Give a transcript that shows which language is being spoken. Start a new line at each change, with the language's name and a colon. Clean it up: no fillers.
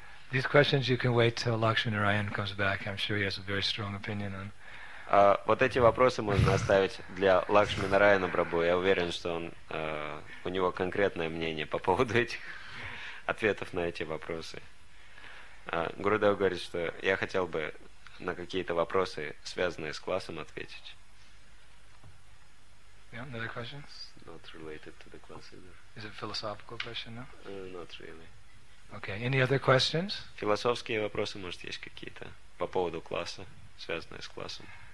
English: These questions you can wait till Lakshmi Narayan comes back. I'm sure he has a very strong opinion on.
Russian: Вот эти вопросы можно оставить для Лакшми Нараяна Прабху. Я уверен, что он, у него конкретное мнение по поводу этих ответов на эти вопросы. Гурудев говорит, что я хотел бы на какие-то вопросы, связанные с классом, ответить.
English: Yeah, another question? It's not related to the class either. Is it a philosophical question, no? Not really. Okay, any other questions?
Russian: Философские вопросы, может, есть какие-то по поводу класса, связанные с классом.